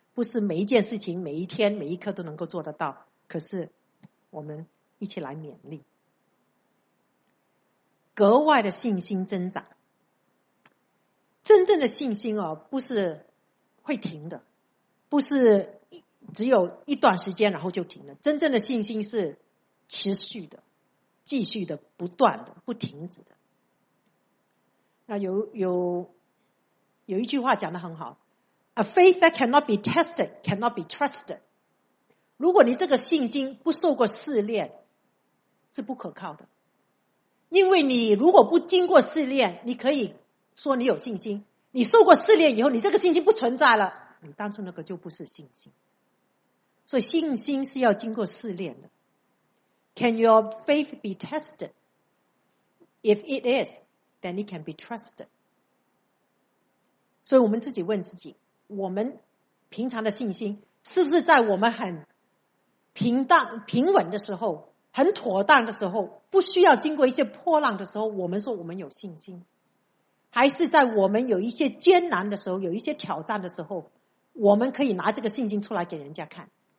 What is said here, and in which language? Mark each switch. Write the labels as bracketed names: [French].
[Chinese] 不是每一件事情每一天每一刻都能够做得到，可是我们一起来勉励，格外的信心增长。真正的信心哦，不是会停的，不是只有一段时间然后就停了。真正的信心是持续的、继续的、不断的、不停止的。那有一句话讲得很好 [English] ：“A faith that cannot be tested cannot be trusted。” [Chinese] 如果你这个信心不受过试炼，是不可靠的。因为你如果不经过试炼，你可以说你有信心，你受过试炼以后，你这个信心不存在了，你当初那个就不是信心。所以信心是要经过试炼的。 [English] Can your faith be tested? If it is, then it can be trusted. [Chinese] 所以我们自己问自己，我们平常的信心是不是在我们很平淡平稳的时候，很妥当的时候，不需要经过一些波浪的时候，我们说我们有信心，还是在我们有一些艰难的时候，有一些挑战的时候，我们可以拿这个信心出来给人家看。